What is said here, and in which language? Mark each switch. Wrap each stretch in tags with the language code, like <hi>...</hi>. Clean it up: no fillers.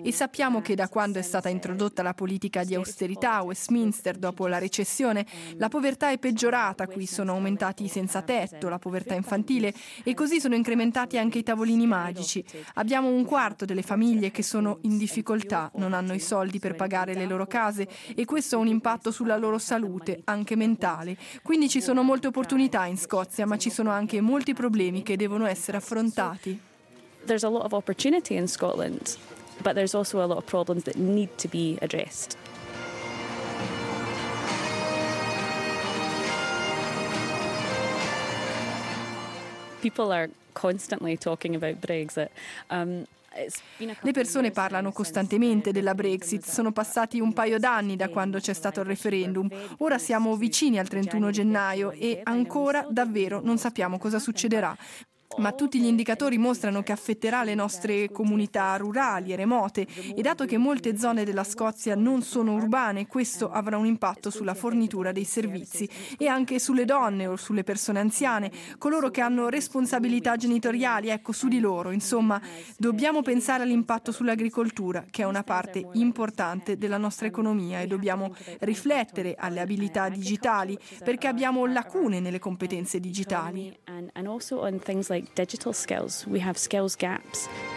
<it>E sappiamo che da quando è stata introdotta la politica di austerità a Westminster dopo la recessione, la povertà è peggiorata, qui sono aumentati i senza tetto, la povertà infantile, e così sono incrementati anche i tavolini magici. Abbiamo un quarto delle famiglie che sono in difficoltà, non hanno i soldi per pagare le loro case, e questo ha un impatto sulla loro salute, anche mentale. Quindi ci sono molte opportunità in Scozia, ma ci sono anche molti problemi che devono essere affrontati.</it> <en>There's a lot of opportunity in Scotland, but there's also a lot of problems that need to be addressed. People are constantly talking about Brexit.</en> <it>Le persone parlano costantemente della Brexit. Sono passati un paio d'anni da quando c'è stato il referendum. Ora siamo vicini al 31 gennaio e ancora davvero non sappiamo cosa succederà. Ma tutti gli indicatori mostrano che affetterà le nostre comunità rurali e remote, e dato che molte zone della Scozia non sono urbane, questo avrà un impatto sulla fornitura dei servizi e anche sulle donne o sulle persone anziane, coloro che hanno responsabilità genitoriali, ecco, su di loro. Insomma, dobbiamo pensare all'impatto sull'agricoltura, che è una parte importante della nostra economia, e dobbiamo riflettere alle abilità digitali, perché abbiamo lacune nelle competenze digitali.</it> <en>Like digital skills, we have skills gaps.</en>